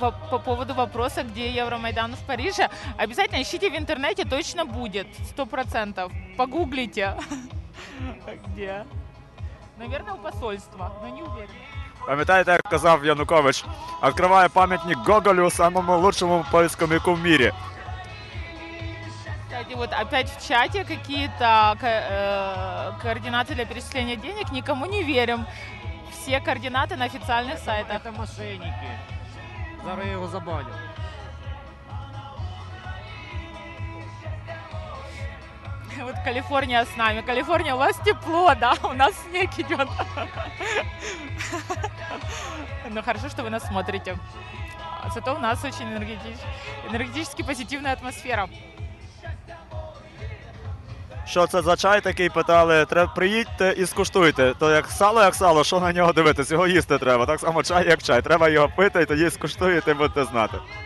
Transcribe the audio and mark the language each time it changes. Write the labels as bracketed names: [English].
[Russian] По поводу вопроса, где Евромайдан в Париже, обязательно ищите в интернете, точно будет, 100%. Погуглите, где. Наверное, у посольства, но не уверен. [Ukrainian] Пам'ятаєте, як казав Янукович, відкриває пам'ятник Гоголю, самому лучшому поляку в мірі. [Russian] И вот опять в чате какие-то координаты для перечисления денег. Никому не верим. Все координаты на официальных сайтах. Это мошенники. Зараз я его забаню. Вот Калифорния с нами. Калифорния, у вас тепло, да? У нас снег идет. Ну хорошо, что вы нас смотрите. Зато у нас очень энергетически позитивная атмосфера. [Ukrainian] Що це за чай такий, питали, приїдьте і скуштуйте. То як сало, що на нього дивитись, його їсти треба. Так само чай, як чай. Треба його пити, і тоді скуштуєте, і будете знати.